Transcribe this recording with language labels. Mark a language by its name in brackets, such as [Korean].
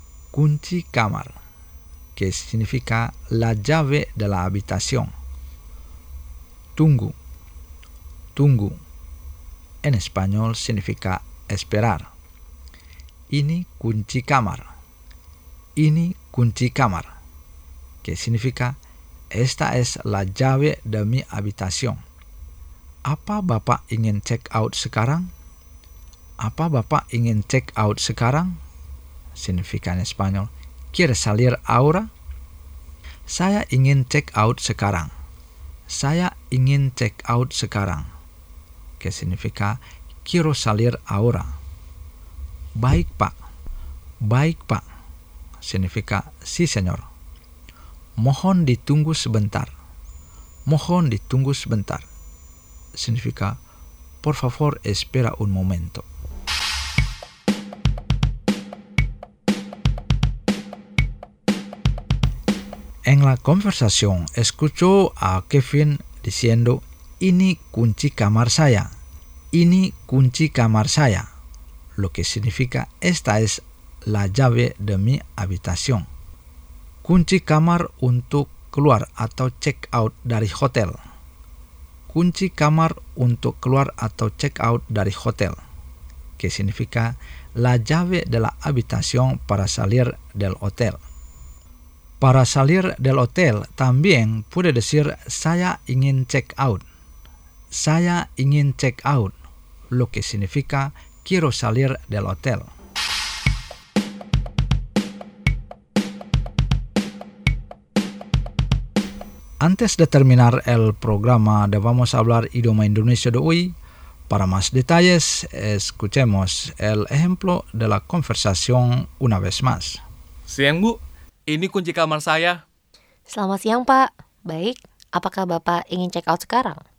[Indonesian] Kunci kamar, [Spanish] que significa la llave de la habitación. [Indonesian] Tunggu. Tunggu. [Spanish] En español significa esperar. [Indonesian] Ini kunci kamar. Ini kunci kamar. [Spanish] Que significa esta es la llave de mi habitación. [Indonesian] Apa Bapak ingin check out sekarang? Apa Bapak ingin check out sekarang? [Spanish] Significa en español, ¿quiere salir ahora? [Indonesian] Saya ingin check out sekarang. Saya ingin check out sekarang. [Spanish] Que significa quiero salir ahora. [Indonesian] Baik, Pak. Baik, Pak. [Spanish] Significa sí, señor. [Indonesian] Mohon ditunggu sebentar. Mohon ditunggu sebentar. [Spanish] Significa por favor, espera un momento. En la conversación escuchó a Kevin diciendo [Indonesian] ini kunci kamar saya, [Spanish] ini kunci kamar saya, lo que significa esta es la llave de mi habitación. [Indonesian] Kunci kamar untuk keluar atau check out dari hotel. Kunci kamar untuk keluar atau check out dari hotel, [Spanish] que significa la llave de la habitación para salir del hotel. Para salir del hotel también puede decir [Indonesian] saya ingin check out. Saya ingin check out, [Spanish] lo que significa quiero salir del hotel. Antes de terminar el programa de Vamos a hablar idioma indonesio de hoy, para más detalles escuchemos el ejemplo de la conversación una vez más. [Indonesian] Siang, Bu. Ini kunci kamar saya. Selamat siang, Pak. Baik, apakah Bapak ingin check out sekarang?